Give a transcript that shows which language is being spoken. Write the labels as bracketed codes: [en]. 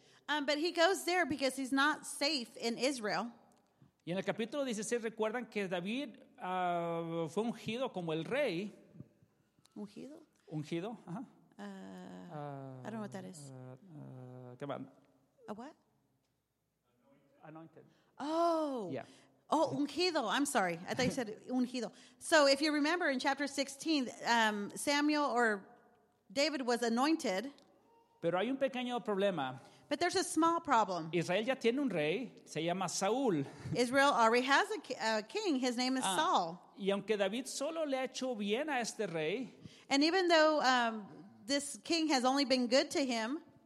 [en] But he goes there because he's not safe in Israel. [es] Y en el capítulo 16 recuerdan que David fue ungido como el rey. Ungido. Ungido, ajá. [en] I don't know what that is. Come on. A what? Anointed. Oh. Yeah. Oh, ungido. I'm sorry. I thought you said ungido. So if you remember in chapter 16, Samuel or David was anointed. [es] Pero hay un pequeño problema. [en] But there's a small problem. [es] Israel ya tiene un rey. Se llama Saúl. [en] Israel already has a king. His name is Saul. [es] Y aunque David solo le ha hecho bien a este rey. [en] And even though... this king has only been good to him.